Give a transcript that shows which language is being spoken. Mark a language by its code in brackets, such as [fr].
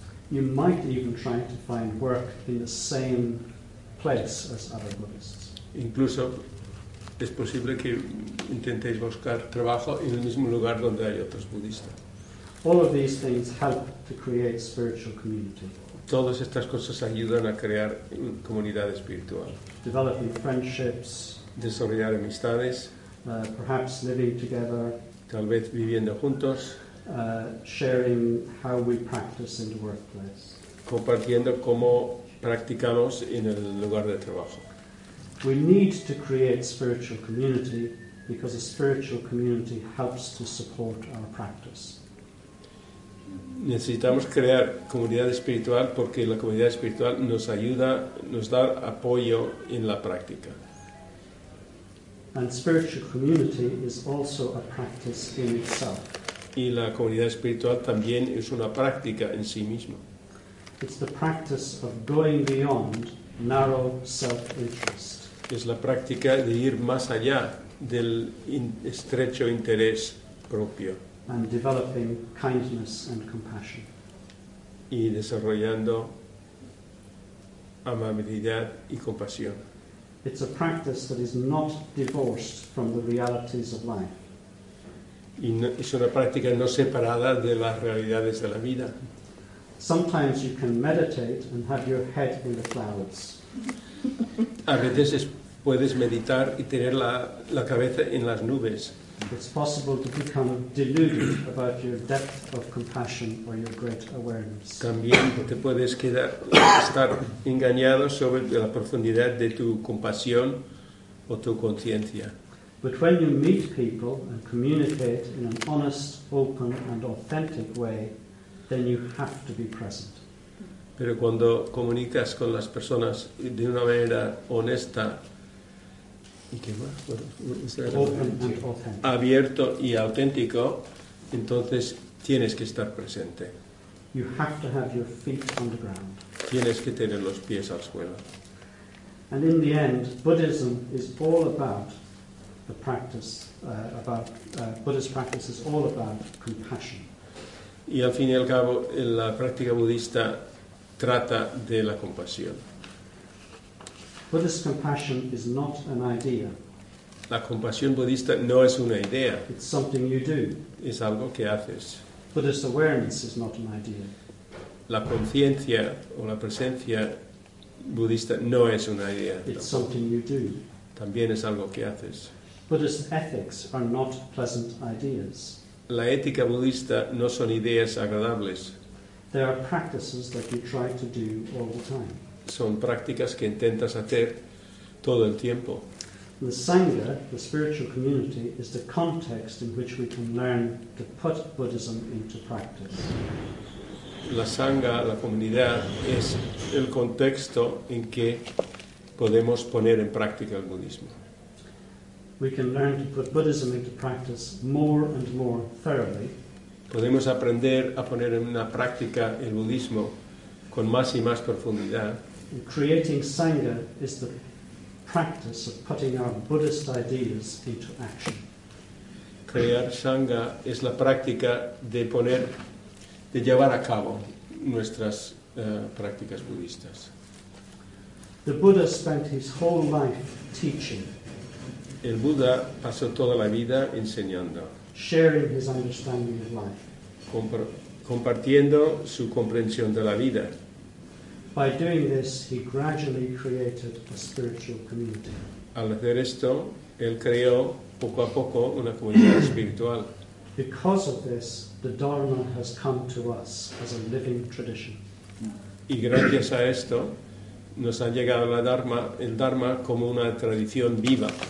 [en] You might even try to find work in the same place as other Buddhists. [es] Incluso es posible que intentéis buscar trabajo en el mismo lugar donde hay otros budistas. [en] All of these things help to create spiritual community. [es] Todas estas cosas ayudan a crear comunidad espiritual. [en] Developing friendships. [es] Desarrollar amistades. [en] Perhaps living together. [es] Tal vez viviendo juntos. [en] Sharing how we practice in the workplace. [es] Compartiendo cómo practicamos en el lugar de trabajo. [en] We need to create spiritual community because a spiritual community helps to support our practice. [es] Necesitamos crear comunidad espiritual porque la comunidad espiritual nos ayuda, nos da apoyo en la práctica. [en] And spiritual community is also a practice in itself. [es] Y la comunidad espiritual también es una práctica en sí misma. [en] It's the practice of going beyond narrow self-interest. [es] Es la práctica de ir más allá del estrecho interés propio. [en] And developing kindness and compassion. [es] Y desarrollando amabilidad y compasión. [en] It's a practice that is not divorced from the realities of life. [es] Y no, es una práctica no separada de las realidades de la vida. [en] Sometimes you can meditate and have your head in the clouds. [es] A veces puedes meditar y tener la cabeza en las nubes. [en] It's possible to become deluded about your depth of compassion or your great awareness. [es] También te puedes estar engañado sobre la profundidad de tu compasión o tu conciencia. [en] But when you meet people and communicate in an honest, open and authentic way, then you have to be present. [es] Pero cuando comunicas con las personas de una manera honesta, ¿y qué más? Abierto y auténtico, entonces tienes que estar presente. [en] You have to have your feet on the ground. [es] Tienes que tener los pies al suelo. [en] And in the end, Buddhism is all about the practice about Buddhist practice is all about compassion. [es] Y al fin y al cabo, la práctica budista trata de la compasión. [en] Buddhist compassion is not an idea. [es] La compasión budista no es una idea. [en] It's something you do. [es] Es algo que haces. [en] Buddhist awareness is not an idea. [es] La conciencia o la presencia budista no es una idea. [en] It's something you do. [es] También es algo que haces. [en] Buddhist ethics are not pleasant ideas. [es] La ética budista no son ideas agradables. [en] There are practices that you try to do all the time. [es] Son prácticas que intentas hacer todo el tiempo. [en] The Sangha, the spiritual community, is the context in which we can learn to put Buddhism into practice. [es] La Sangha, la comunidad, es el contexto en que podemos poner en práctica el budismo. [en] We can learn to put Buddhism into practice more and more thoroughly. [es] Podemos aprender a poner en una práctica el budismo con más y más profundidad. [en] And creating Sangha is the practice of putting our Buddhist ideas into action. [es] Crear Sangha es la práctica de poner, de llevar a cabo nuestras prácticas budistas. [en] The Buddha spent his whole life teaching. [es] El Buda pasó toda la vida enseñando. [en] Sharing his understanding of life. [es] Compartiendo su comprensión de la vida. [en] By doing this, he gradually created a spiritual community. [es] Al hacer esto, él creó poco a poco una comunidad espiritual. [en] Because of this, the Dharma has come to us as a living tradition. [es] Y gracias a esto, nos ha llegado la Dharma, el Dharma como una tradición viva.